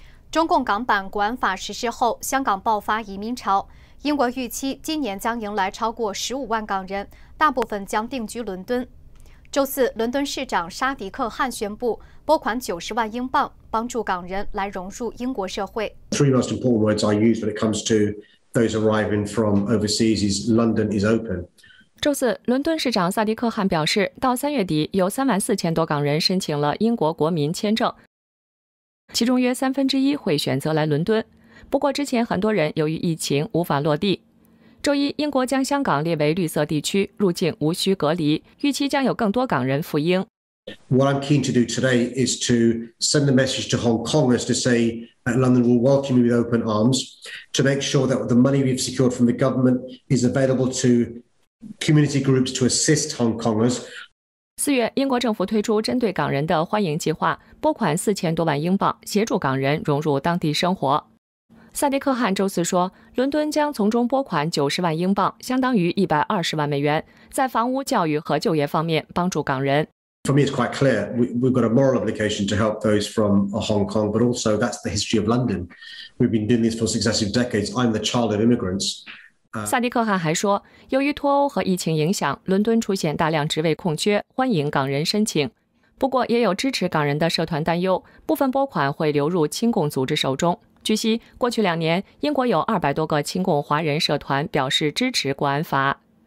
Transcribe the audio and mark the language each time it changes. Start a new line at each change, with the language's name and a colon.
Chinese: 中共港版国安法实施后，香港爆发移民潮，英国预期今年将迎来超过150,000港人，大部分将定居伦敦。周四，伦敦市长沙迪克汗宣布拨款90万英镑，帮助港人来融入英国社会。
English: Three most important words I use when it comes to those arriving from overseas is London is open.
Chinese: 周四，伦敦市长萨迪克汗表示，到3月底，有34,000多港人申请了英国国民签证，其中约1/3会选择来伦敦。不过之前很多人由于疫情无法落地。周一，英国将香港列为绿色地区，入境无需隔离，预期将有更多港人赴英。
English: What I'm keen to do today is to send a message to Hong Kongers to say that London will welcome you with open arms, to make sure that the money we've secured from the government is available to community groups to assist Hong Kongers.
Chinese: 四月，英国政府推出针对港人的欢迎计划，拨款4,000多万英镑，协助港人融入当地生活。萨迪克汗周四说，伦敦将从中拨款90万英镑，相当于120万美元，在房屋、教育和就业方面帮助港人。
English: For me, it's quite clear we've got a moral obligation to help those from Hong Kong, but also that's the history of London. We've been doing this for successive decades. I'm the child of immigrants.
Chinese: 萨迪克汗还说，由于脱欧和疫情影响，伦敦出现大量职位空缺，欢迎港人申请。不过，也有支持港人的社团担忧，部分拨款会流入亲共组织手中。据悉，过去2年，英国有200多个亲共华人社团表示支持国安法。